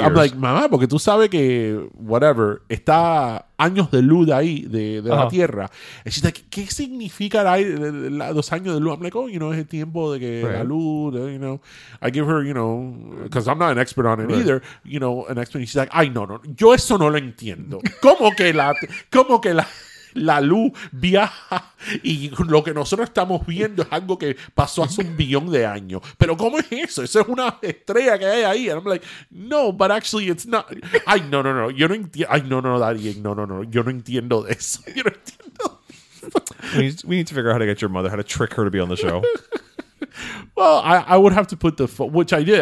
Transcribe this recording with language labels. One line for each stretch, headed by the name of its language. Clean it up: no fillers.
English: I'm like,
Spanish: mamá, porque tú sabes que whatever, está años de luz de ahí, de la tierra.
English: And she's like,
Spanish: ¿qué significa los años de luz?
English: I'm like, oh, you know,
Spanish: es el tiempo de que la luz,
English: you know. I give her, you know, because I'm not an expert on it either, you know, an expert. And she's like,
Spanish: ay, no, yo eso no lo entiendo. ¿Cómo que la luz viaja y lo que nosotros estamos viendo es algo que pasó hace un billón de años? ¿Pero cómo es eso? ¿Eso es una estrella que hay ahí?
English: And I'm like, no, but actually it's not.
Spanish: Ay, no. Yo no entiendo. Ay, no, daddy. No. Yo no entiendo de eso. Yo no entiendo.
English: We need to figure out how to get your mother, how to trick her to be on the show. Well, I would have to put the phone, which I did.